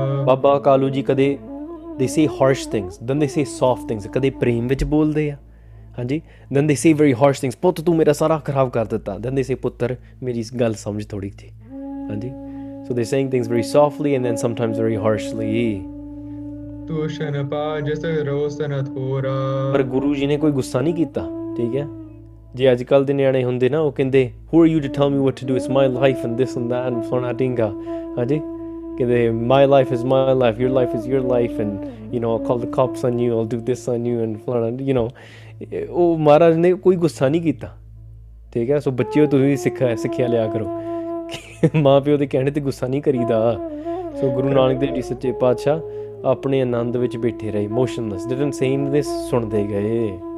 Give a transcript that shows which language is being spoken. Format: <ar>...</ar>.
<pa>ਬਾਬਾ ਕਾਲੂ ਜੀ ਕਦੇ</pa> <en>they say harsh things, then they say soft things,</en> <pa>ਕਦੇ ਪ੍ਰੇਮ ਵਿੱਚ ਬੋਲਦੇ ਆ, ਹਾਂਜੀ,</pa> <en>then they say very harsh things,</en> <pa>ਪੁੱਤ ਤੂੰ ਮੇਰਾ ਸਾਰਾ ਖਰਾਬ ਕਰ ਦਿੱਤਾ,</pa> <en>then they say</en> <pa>ਪੁੱਤਰ ਮੇਰੀ ਇਸ ਗੱਲ ਸਮਝ ਥੋੜ੍ਹੀ ਜੀ, ਹਾਂਜੀ।</pa> <en>So they're saying things very softly and then sometimes very harshly.</en> <pa>ਤੂਸ਼ਣ ਪਾ ਜਿਸ ਰੋਸਨ ਥੋਰਾ। ਪਰ ਗੁਰੂ ਜੀ ਨੇ ਕੋਈ ਗੁੱਸਾ ਨਹੀਂ ਕੀਤਾ, ਠੀਕ ਹੈ। ਜੇ ਅੱਜ ਕੱਲ੍ਹ ਦੇ ਨਿਆਣੇ ਹੁੰਦੇ ਨਾ, ਉਹ ਕਹਿੰਦੇ</pa> <en>Who are you to tell me what to do? It's my life and this and that and</en> <pa>phona dinga. ਹਾਂਜੀ, ਕਹਿੰਦੇ</pa> <en>My life is my life, your life is your life and you know, I'll call the cops on you, I'll do this on you and</en> <pa>phona,</pa> <en>you know.</en> <pa>ਉਹ ਮਹਾਰਾਜ ਨੇ ਕੋਈ ਗੁੱਸਾ ਨਹੀਂ ਕੀਤਾ, ਠੀਕ ਹੈ। ਸੋ ਬੱਚਿਓ, ਤੁਸੀਂ ਸਿੱਖਿਆ ਲਿਆ ਕਰੋ, ਮਾਂ ਪਿਓ ਦੇ ਕਹਿਣੇ 'ਤੇ ਗੁੱਸਾ ਨਹੀਂ ਕਰੀਦਾ। ਸੋ ਗੁਰੂ ਨਾਨਕ ਦੇਵ ਜੀ ਸੱਚੇ ਪਾਤਸ਼ਾਹ ਆਪਣੇ ਆਨੰਦ ਵਿੱਚ ਬੈਠੇ ਰਹੇ,</pa> <en>motionless, didn't say even this,</en> <pa>ਸੁਣਦੇ ਗਏ।</pa>